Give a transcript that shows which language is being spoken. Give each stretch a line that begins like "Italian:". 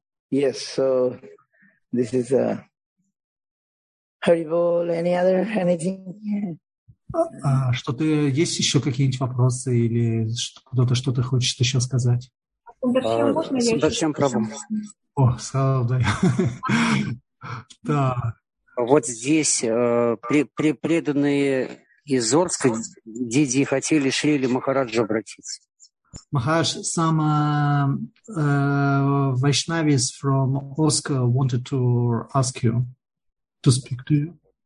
English: Yes, so this is a Haribol, any other, anything?
Russian: Что-то, есть еще какие-нибудь вопросы или кто-то что-то хочет еще сказать? Зачем пробуем? О, сразу да. Да. Вот здесь преданные из Орска дяди хотели Шрили Махараджа обратиться.
English: Махарадж, some Vaishnavis from Orsk wanted to ask you to speak to you.